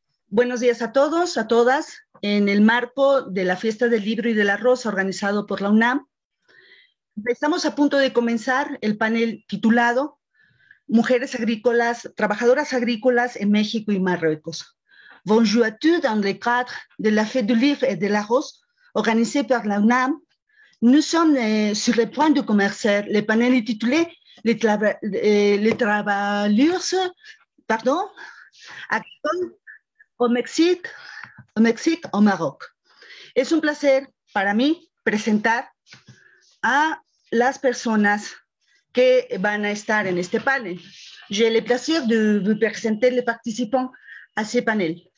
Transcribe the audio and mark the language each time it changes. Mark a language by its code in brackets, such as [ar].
[es] Buenos días a todos, a todas. En el marco de la Fiesta del Libro y de la Rosa organizado por la UNAM, estamos a punto de comenzar el panel titulado Mujeres agrícolas, trabajadoras agrícolas en México y Marruecos. [fr] Bonjour à tous dans le cadre de la Fête du Livre et de la Rose, organisé par la UNAM. Nous sommes sur le point de commencer le panel intitulé Les travailleuses, pardon, agricoles au Mexique, au Maroc. [es] Es un placer para mí presentar a las personas que van a estar en este panel. [fr] J'ai le plaisir de vous présenter les participants à ce panel.